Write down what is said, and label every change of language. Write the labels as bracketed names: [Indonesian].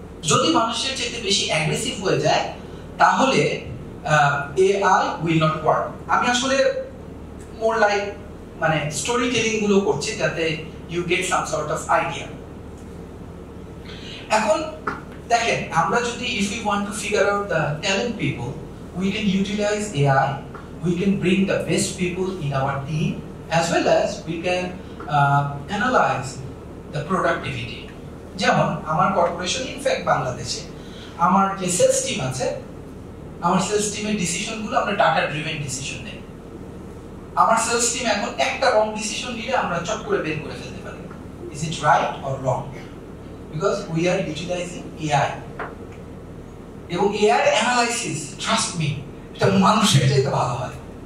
[Bangla] যদি মানুষের চাইতে বেশি অ্যাগ্রেসিভ হয়ে যায় তাহলে [English] AI will not work. [Bangla] আমি আসলে [English] more like [Bangla] মানে storytelling গুলো করছি যাতে [English] you get some sort of idea. [Bangla] এখন দেখেন আমরা যদি [English] if we want to figure out the talent people, we can utilize AI, we can bring the best people in our team, as well as we can analyze the productivity. [Bangla] যেমন আমার [English] corporation in fact [Bangla] বাংলাদেশে আমার যে sales team আছে আমার sales টিমের decision গুলো আমরা ডাটা ড্রিভেন ডিসিশন নেই। আমার সেলস টিম এখন একটা রং ডিসিশন নিলে আমরা চট করে বের করে ফেলতে পারি, [English] is it right or wrong, because we are utilizing AI [Bangla] এবং এআই অ্যানালাইসিস, [English] trust me [Bangla] এটা মানুষের চাইতে ভালো হয়।